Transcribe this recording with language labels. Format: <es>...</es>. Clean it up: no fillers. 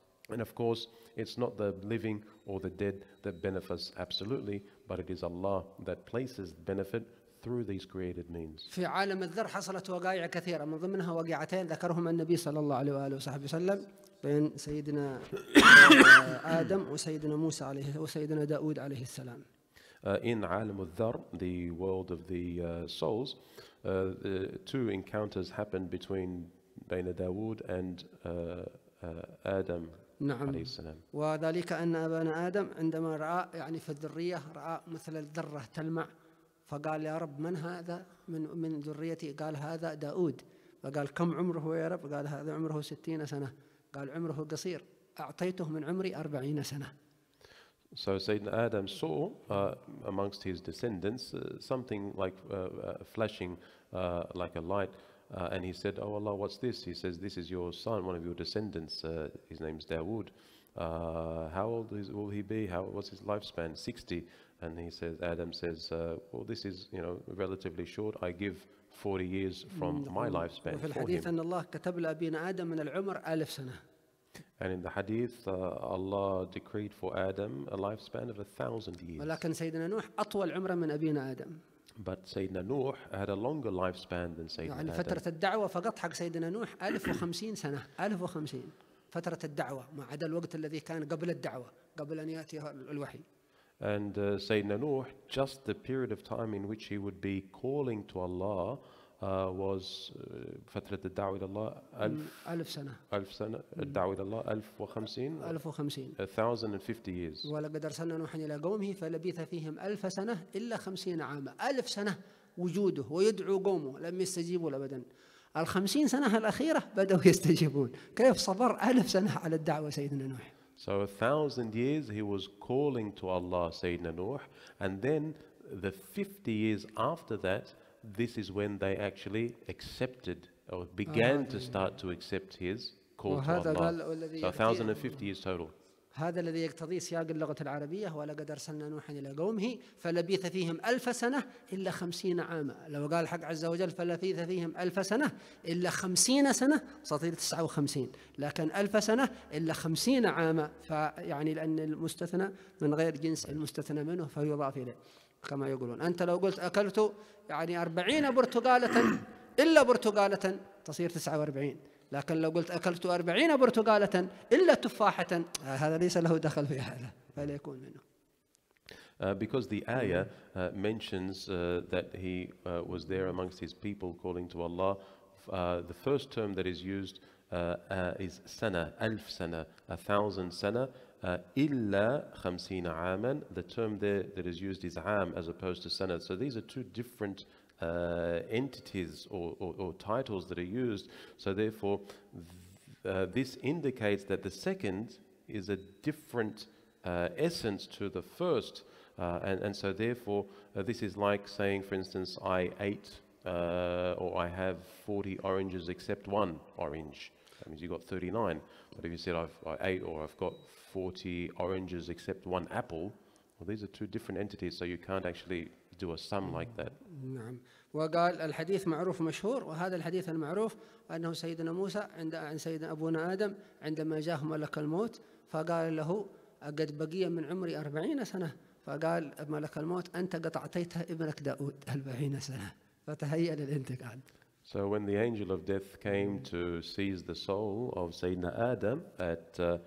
<en>And of course, it's not the living or the dead that benefits absolutely, but it is Allah that places benefit through these created means.</en> <ar>في عالم الذر حصلت وقائع كثيرة، من ضمنها وقيعتين ذكرهما النبي صلى الله عليه وآله وصحبه وسلم بين سيدنا آدم وسيدنا موسى عليه وسيدنا داود عليه السلام.</ar> <en>In عالم الذر, the world of the souls, two encounters happened</en> <ar>بين</ar> <en>داود and آدم.</en> <ar>نعم، وذلك أن أبانا آدم عندما رأى يعني في الذرية رأى مثل الذرة تلمع، فقال يا رب من هذا من ذريتي؟ قال هذا داود. فقال كم عمره يا رب؟ قال هذا عمره 60 سنة. قال عمره قصير، أعطيته من عمري 40 سنة.</ar> <en>So Sayyidina Adam saw amongst his descendants something like flashing like a light. And he said, oh Allah, what's this? He says, this is your son, one of your descendants. His name's Dawood. How old will he be? What's his lifespan? 60. And he says, Adam says, well, this is, you know, relatively short. I give 40 years from my lifespan for him.</en> <ar>أن الله كتب لأبينا آدم من العمر 1000 سنة.</ar> <en>And in the hadith, Allah decreed for Adam a lifespan of 1,000 years.</en> <ar>ولكن سيدنا نوح أطول عمرا من أبينا آدم.</ar> <en>But Sayyidina Nuh had a longer lifespan than Sayyidina Adam.</en> <ar>يعني فترة الدعوة فقط حق سيدنا نوح 1050 سنة. 1050 فترة الدعوة، ما عدا الوقت الذي كان قبل الدعوة، قبل أن يأتي الوحي.</ar> <en>And Sayyidina Nuh, just the period of time in which he would be calling to Allah was</en> <ar>فترة الدعوة إلى الله 1000 سنة. 1000 سنة الدعوة إلى الله 1050. 1050.</ar> <en>1050 years.</en> <ar>ولقد أرسلنا نوحا إلى قومه فلبيث فيهم 1000 سنة إلا 50 عاما. 1000 سنة وجوده ويدعو قومه لم يستجيبوا أبدا. 50 سنة الأخيرة بدأوا يستجيبون. كيف صبر 1000 سنة على الدعوة سيدنا نوح؟</ar> <en>So 1000 years he was calling to Allah, سيدنا نوح, and then the 50 years after that. This is when they actually accepted or began to start to accept his call to Allah. So 1,050 years total.</en> <ar>هذا الذي يقتضي سياق اللغة العربية، ولقد أرسلنا نوحا إلى قومه فلبيث فيهم 1000 سنة إلا 50 عاما. لو قال حق عز وجل فلبيث فيهم 1000 سنة إلا 50 سنة ستصير 59، لكن 1000 سنة إلا 50 عاما، فيعني لأن المستثنى من غير جنس المستثنى منه فيضاف إليه. كما يقولون أنت لو قلت أكلت يعني 40 برتقالة إلا برتقالة تصير 49، لكن لو قلت أكلت 40 برتقالة إلا تفاحة هذا ليس له دخل في هذا فلا يكون منه.</ar> <en>Because the ayah mentions that he was there amongst his people calling to Allah, the first term that is used is سنة،</en> <ar>1000 سنة، 1000 سنة. إِلَّا خَمْسِينَ عَامًا.</ar> <en>The term there that is used is عام as opposed to سنة. So these are two different entities or titles that are used. So therefore, this indicates that the second is a different essence to the first. And so therefore, this is like saying, for instance, I ate or I have 40 oranges except one orange. That means you've got 39. But if you said I ate or I've got 40 oranges except one apple, well, these are two different entities, so you can't actually do a sum like that.</en> <ar>نعم. وقال الحديث معروف مشهور، وهذا الحديث المعروف أنه سيدنا موسى عن سيدنا أبونا آدم عندما جاءه ملك الموت فقال له قد بقي من عمري 40 سنة، فقال ملك الموت أنت قد أعطيت ابنك داود 40 سنة فتهيأ للانتقال.</ar> <en>So when the angel of death came to seize the soul of Sayyidina Adam at</en>